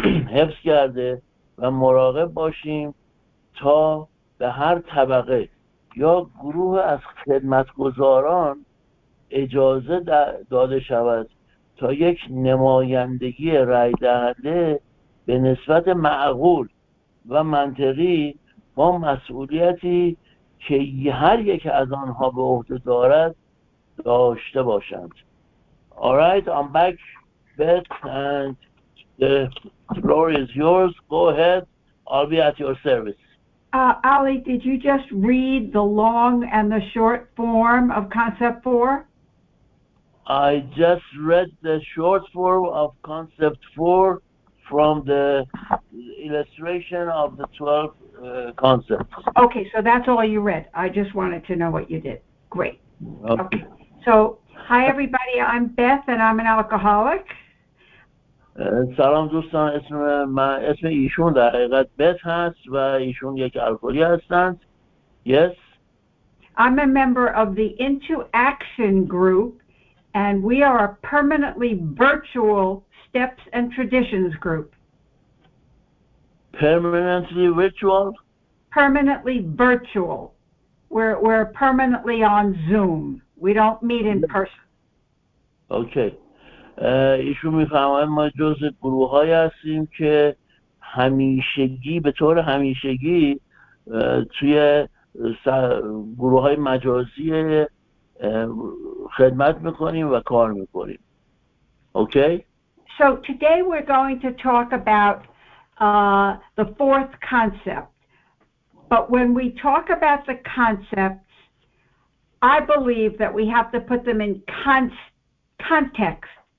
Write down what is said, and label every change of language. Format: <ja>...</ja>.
<fa>حفظ کرده و مراقب باشیم تا به هر طبقه یا گروه از خدمتگزاران اجازه داده شود تا یک نمایندگی رای دهنده به نسبت معقول و منطقی با مسئولیتی که هر یک از آنها به عهده دارد داشته باشند.</fa> <en>Alright, I'm back, Beth, and the floor is yours. Go ahead, I'll be at your service. Ali, did you just read the long and the short form of concept four? I just read the short form of concept four from the illustration of the 12 concepts. Okay, so that's all you read. I just wanted to know what you did. Great. Okay. So, hi everybody, I'm Beth and I'm an alcoholic.</en> <fa>سلام دوستان، اسم ایشون در حقیقت بت هست و ایشون یک الکلی هستند.</fa> <en>Yes. I'm a member of the Into Action group and we are a permanently virtual steps and traditions group. Permanently virtual? Permanently virtual. We're permanently on Zoom. We don't meet in person. Okay.</en> <fa>ایشون میفهمن ما جزء گروه های هستیم که همیشگی به طور همیشگی توی گروه های مجازی خدمت میکنیم و کار میکنیم.</fa> <en>Okay. So today we're going to talk about the fourth concept. But when we talk about the concepts, I believe that we have to put them in context.</en>